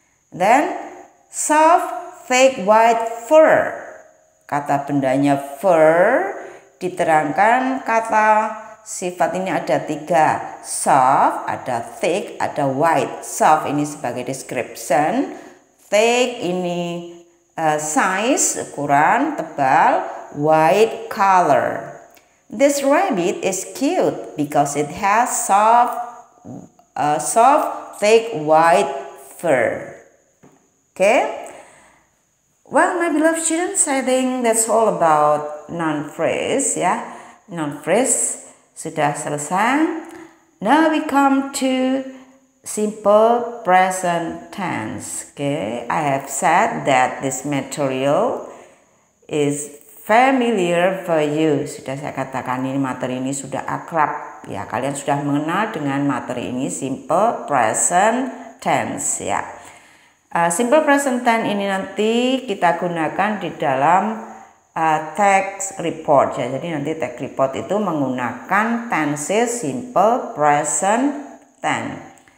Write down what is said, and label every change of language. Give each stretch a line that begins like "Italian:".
English: Then soft thick white fur,
Indonesian: kata bendanya fur, diterangkan kata sifat ini ada tiga, soft, ada thick, ada white. Soft ini sebagai description, thick ini size, ukuran, tebal, white color.
English: This rabbit is cute because it has soft thick white fur. Okay? Well, my beloved students, I think that's all about noun phrase, ya.
Indonesian: Yeah? Noun phrase sudah selesai.
English: Now we come to simple present tense. Okay? I have said that this material is familiar for you.
Indonesian: Sudah saya katakan ini materi ini sudah akrab, ya, kalian sudah mengenal dengan materi ini, simple present tense, ya. Simple present tense ini nanti kita gunakan di dalam text report, ya. Jadi nanti text report itu menggunakan tenses simple present tense.